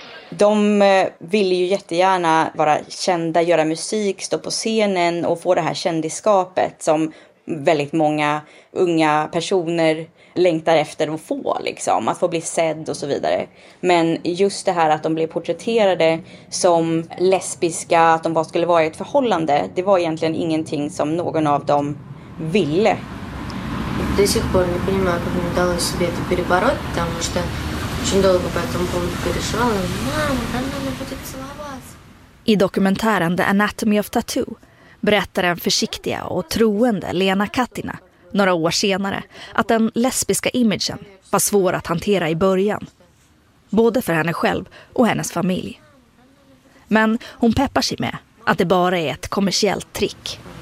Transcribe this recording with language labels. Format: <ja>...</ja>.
<sv>De ville ju jättegärna vara kända, göra musik, stå på scenen och få det här kändiskapet som väldigt många unga personer längtar efter att få, liksom, att få bli sedd och så vidare. Men just det här att de blev porträtterade som lesbiska, att de bara skulle vara i ett förhållande, det var egentligen ingenting som någon av dem ville.</sv> <ru>До сих пор не понимаю, как мне удалось себе это перебороть, потому что очень долго по этому поводу переживала. Мама, там надо будет целоваться.</ru> <sv>I dokumentären The Anatomy of Tattoo berättar den försiktiga och troende Lena Katina några år senare att den lesbiska imagen var svår att hantera i början. Både för henne själv och hennes familj. Men hon peppar sig med att det bara är ett kommersiellt trick.</sv>